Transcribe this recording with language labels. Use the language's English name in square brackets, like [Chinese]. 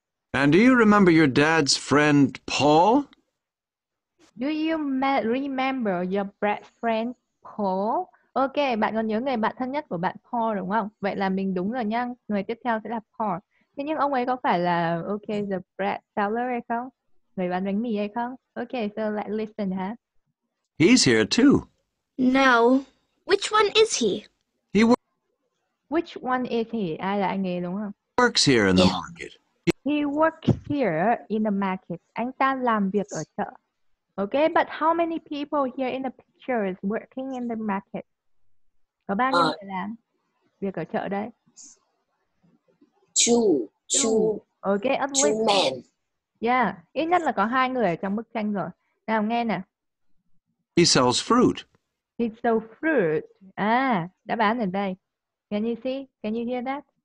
[English] And do you remember your dad's friend, Paul? Do you remember your best friend, Paul? [Vietnamese] Ok, bạn còn nhớ người bạn thân nhất của bạn Paul đúng không? Vậy là mình đúng rồi nha. Người tiếp theo sẽ là Paul. Thế nhưng ông ấy có phải là ok, [English] the bread seller [Vietnamese] hay không? Người bán bánh mì hay không? [English] Ok, so let's listen, huh? He's here too. No. Which one is he? He Which one is he? [Vietnamese] Ai là anh ấy đúng không? [English] He works here in the market. He works here in the market. [Vietnamese] Anh ta làm việc ở chợ. [English] Ok, but how many people here in the picture is working in the market? [Vietnamese] Có bao nhiêu người làm việc ở chợ đây? [English] Two. Ok, at least. Two men. [Vietnamese] Yeah, ít nhất là có hai người ở trong bức tranh rồi. Nào nghe nè. [English] He sells fruit. He sells fruit. [Vietnamese] À, đã bán ở đây. [English] Can you see? Can you hear that?